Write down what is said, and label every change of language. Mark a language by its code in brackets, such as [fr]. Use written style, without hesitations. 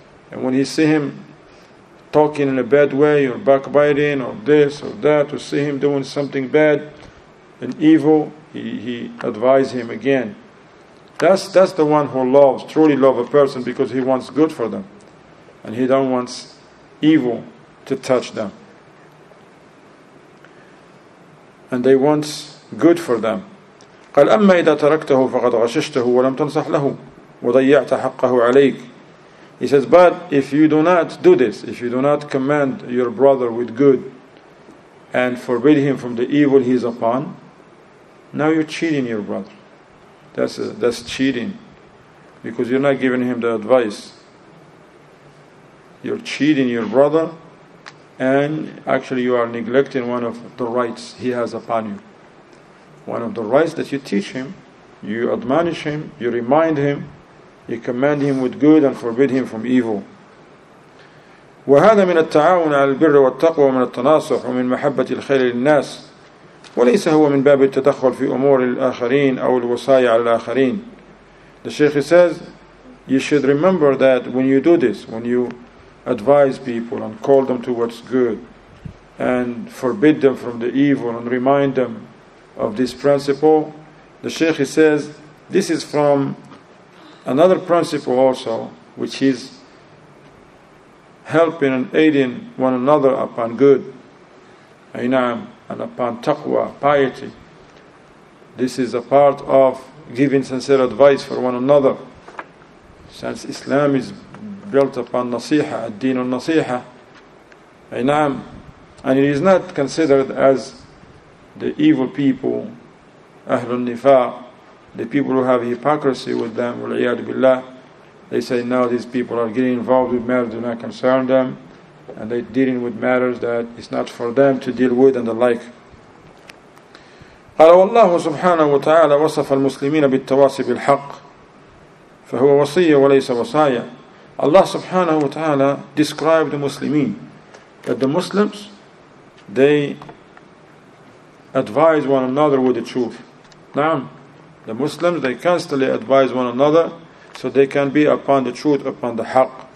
[en] And when he see him talking in a bad way, or backbiting, or this, or that, or see him doing something bad and evil, he advise him again. That's the one who loves, truly love a person, because he wants good for them. And he don't want evil to touch them. And they want good for them. [ar] قال أما إذا تركته فقد غششته ولم تنصح له وضيعت حقه عليك. [en] He says, but if you do not do this, if you do not command your brother with good and forbid him from the evil he is upon, now you're cheating your brother. That's cheating, because you're not giving him the advice. You're cheating your brother, and actually you are neglecting one of the rights he has upon you. One of the rights that you teach him, you admonish him, you remind him, you command him with good and forbid him from evil. [ar] وَهَذَا مِنَ التَّعَاوُنَ عَلَى الْبِرِّ وَالتَّقْوَى وَمِنَ التَّنَاصُحُ وَمِنْ مَحَبَّةِ الْخَيْرِ لِلنَّاسِ وليس هو من باب التدخل في أمور الآخرين أو الوصايا على الآخرين. [en] The Sheikh says, you should remember that when you do this, when you advise people and call them to what's good and forbid them from the evil and remind them of this principle, the Sheikh, he says, this is from another principle also, which is helping and aiding one another upon good, aynam, and upon taqwa, piety. This is a part of giving sincere advice for one another. Since Islam is built upon nasiha, ad-din al-nasiha, aynam, and it is not considered as the evil people, ahlul nifaq, the people who have hypocrisy with them, wal-iyad billah. They say, now these people are getting involved with matters that do not concern them, and they're dealing with matters that it's not for them to deal with and the like. [ar] قال والله سبحانه وتعالى وصف المسلمين بالتواصي بالحق فهو وصية وليس وصايا. [en] Allah سبحانه وتعالى described the Muslimin that the Muslims, they advise one another with the truth. نعم, the Muslims, they constantly advise one another so they can be upon the truth, upon the haqq.